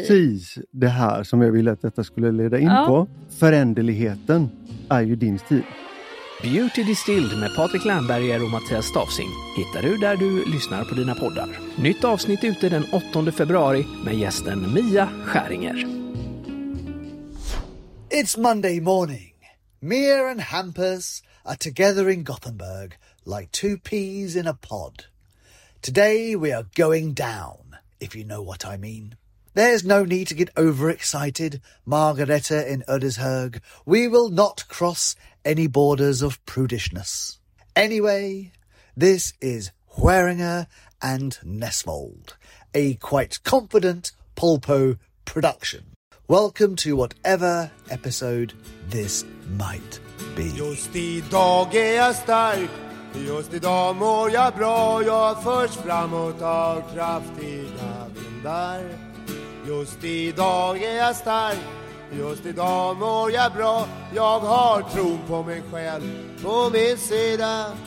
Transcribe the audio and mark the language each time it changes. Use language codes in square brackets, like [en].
[sv] Precis det här som jag ville att detta skulle leda in på. Föränderligheten är ju din stil. Beauty Distilled med Patrik Lernberger och Mattias Stavsing hittar du där du lyssnar på dina poddar. Nytt avsnitt ute den 8 februari med gästen Mia Skäringer. [en] It's Monday morning. Mia and Hampus are together in Gothenburg like two peas in a pod. Today we are going down, if you know what I mean. There's no need to get overexcited, Margareta in Ödeshög. We will not cross any borders of prudishness. Anyway, this is Hweringer and Nesvold, a quite confident Polpo production. Welcome to whatever episode this might be. [sv] Just idag är jag stark, just idag mår jag bra, jag förs framåt av kraftiga vindar. Just idag är jag stark, just idag mår jag bra, jag har tro på mig själv, på min sida.